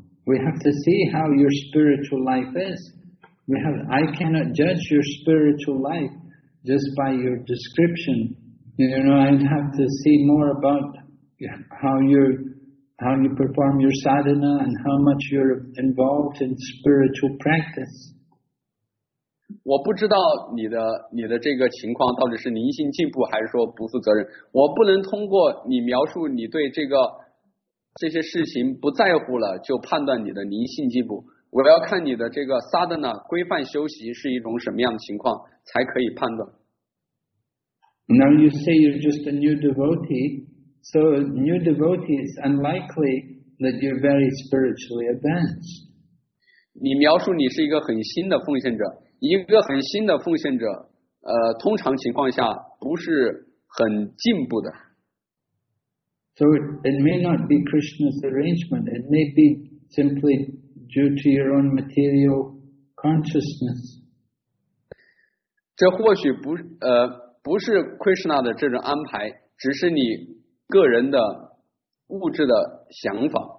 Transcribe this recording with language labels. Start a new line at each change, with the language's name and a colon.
English: We have to see how your spiritual life is. I cannot judge your spiritual life just by your description. You know, I'd have to see more about how you perform your sadhana and how much you're involved in spiritual practice.
Chinese: 我不知道你的这个情况到底是灵性进步还是说不负责任。我不能通过你描述你对这些事情不在乎了就判断你的灵性进步。我要看你的这个 sadhana 规范修习是一种什么样的情况才可以判断。
English: Now you say you're just a new devotee. So new devotee is unlikely that you're very spiritually advanced.
Chinese: 你描述你是一个很新的奉献者，一个很新的奉献者，通常情况下不是很进步的。
English: So it may not be Krishna's arrangement. It may be simply due to your own material consciousness.
Chinese: 这或许不是 Krishna 的这种安排，只是你。个人的物质的想法。